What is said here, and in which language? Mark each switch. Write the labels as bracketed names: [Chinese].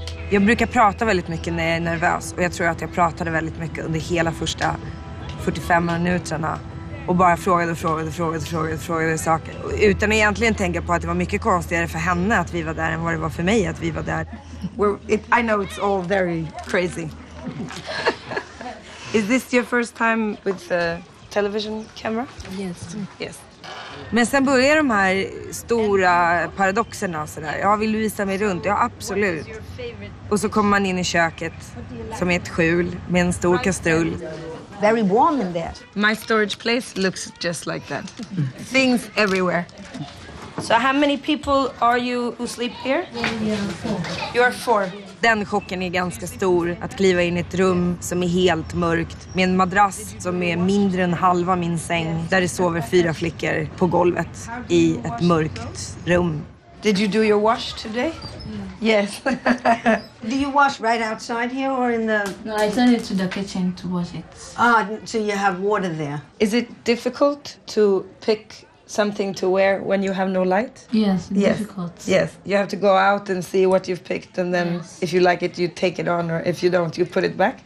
[Swedish] Jag brukar prata väldigt mycket när jag är nervös och jag tror att jag pratade väldigt mycket under hela första 45 minuterna. Och bara frågade saker. Utan att egentligen tänka på att det var mycket konstigare för henne att vi var där än vad det var för mig att vi var där. [English] I know it's all very crazy. Is this your first time with the television camera? Yes. Yes. [Swedish] Men sen börjar de här stora paradoxerna så där. Ja, vill du visa mig runt? Ja, absolut. Och så kommer man in i köket som är ett skjul med en stor kastrull. [English] Very warm in there. My storage place looks just like that. Things everywhere. So how many people are you who sleep here? Yeah. You are 4. [Swedish] Den chocken är ganska stor. Att kliva in i ett rum som är helt mörkt. Med en madrass som är mindre än halva min säng. Där det sover 4 flickor på golvet. I ett mörkt rum. [English] Did you do your wash today? Yeah. Yes. Do you wash right outside here or in the... No, I sent it to the kitchen to wash it. Ah, so you have water there. Is it difficult to pick something to wear when you have no light? Yes, it's difficult. Yes, you have to go out and see what you've picked and then if you like it, you take it on or if you don't, you put it back?